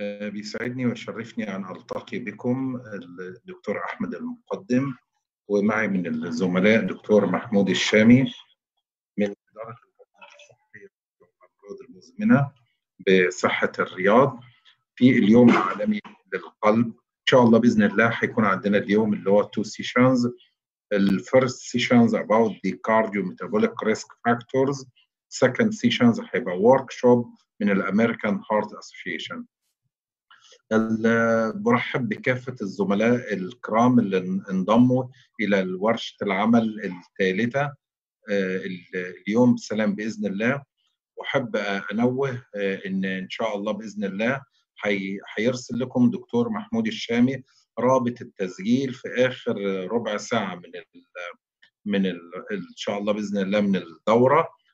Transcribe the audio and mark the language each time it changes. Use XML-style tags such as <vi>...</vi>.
<ar>بيسعدني ويشرفني أن ألتقي بكم الدكتور أحمد المقدم، ومعي من الزملاء دكتور محمود الشامي من إدارة الأمراض المزمنة بصحة الرياض في اليوم العالمي للقلب. إن شاء الله بإذن الله حيكون عندنا اليوم اللي هو تو سيشنز.</ar> <en>The first session is about the cardiometabolic risk factors. Second session is a workshop</en> <ar>من الأمريكان هارت أسوسيشن. برحب بكافة الزملاء الكرام اللي انضموا إلى الورشة العمل الثالثة اليوم بسلام بإذن الله. وحب أنوه إن شاء الله بإذن الله حيرسل لكم دكتور محمود الشامي رابط التسجيل في آخر ربع ساعة من الـ إن شاء الله بإذن الله من الدورة.</ar>